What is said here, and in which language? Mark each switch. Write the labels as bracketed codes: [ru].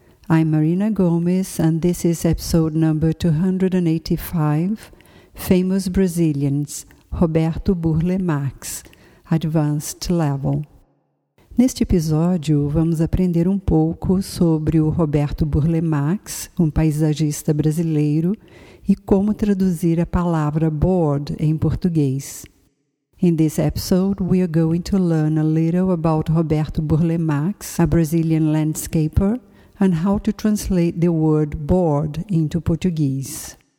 [en] I'm Marina Gomes and this is episode number 285, Famous Brazilians, Roberto Burle Marx, Advanced Level. [pt] Neste episódio, vamos aprender um pouco sobre o Roberto Burle Marx, um paisagista brasileiro, e como traduzir a palavra bored em português. [en] In this episode, we are going to learn a little about Roberto Burle Marx, a Brazilian landscaper, and how to translate the word bored into Portuguese.